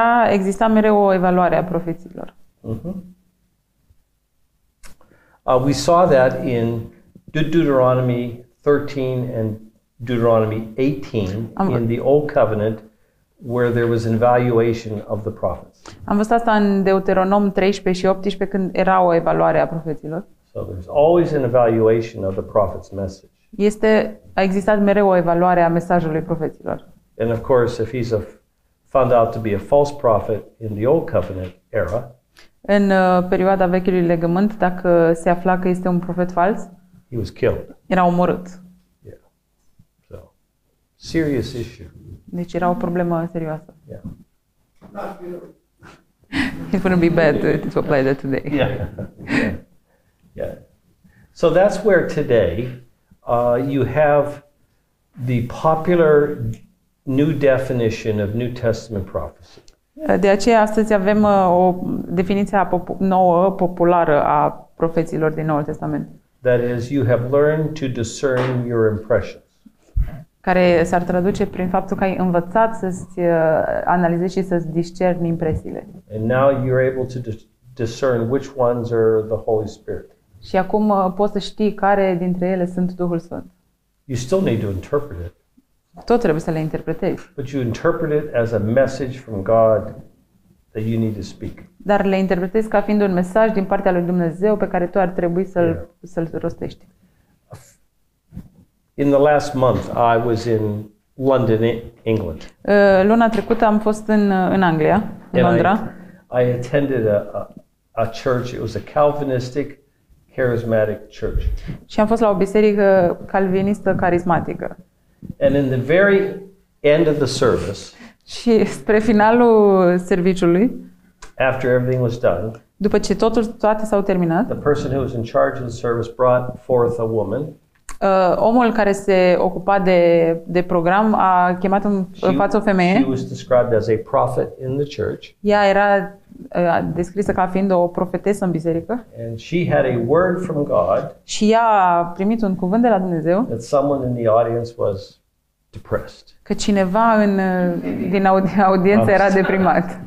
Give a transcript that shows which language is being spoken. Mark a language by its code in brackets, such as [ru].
[ro] Exista mereu o evaluare a profeților. Mm-hmm. [en] We saw that in Deuteronomy 13 and Deuteronomy 18 in the Old Covenant, where there was an evaluation of the prophets. [ro] Am văzut asta în Deuteronom 13 și 18 când era o evaluare a profeților. [en] So there's always an evaluation of the prophet's message. [ro] A existat mereu o evaluare a mesajului profeților. [en] And of course, if he's found out to be a false prophet in the Old Covenant era, [ro] în perioada Vechiului Legământ, dacă se afla că este un profet fals, [en] he was killed. [ro] Era omorât. [en] Yeah. So, serious issue. [ro] Deci era o problemă serioasă. [en] Yeah. It wouldn't be bad to apply that today. Yeah. Yeah. So that's where today you have the popular new definition of New Testament prophecy. [ro] De aceea astăzi avem o definiție nouă populară a profețiilor din Noul Testament. [en] That is, you have learned to discern your impressions. [ro] Care s-ar traduce prin faptul că ai învățat să-ți analizezi și să-ți discerni impresiile. [en] And now you're able to discern which ones are the Holy Spirit. [ro] Și acum poți să știi care dintre ele sunt Duhul Sfânt. [en] You still need to interpret it. [ro] Tot trebuie să le interpretezi. [en] But you interpret it as a message from God that you need to speak. [ro] Dar le interpretezi ca fiind un mesaj din partea lui Dumnezeu pe care tu ar trebui să-l, yeah, să-l rostești. [en] In the last month I was in London, England. [ro] Luna trecută am fost în Anglia, în Londra. [en] I attended a church. It was a Calvinistic charismatic church. [ro] Și am fost la o biserică calvinistă carismatică. [en] And in the very end of the service. [ro] Și spre finalul serviciului. [en] After everything was done. [ro] După ce toate s-au terminat. [en] The person who was in charge of the service brought forth a woman. [ro] Omul care se ocupa de program a chemat în față o femeie. [en] She was described as a prophet in the church. [ro] Ea era descrisă ca fiind o profetesă în biserică. [en] And she had a word from God. [ro] Și ea a primit un cuvânt de la Dumnezeu. [en] That someone in the audience was depressed. [ro] Că cineva din audiență era deprimat.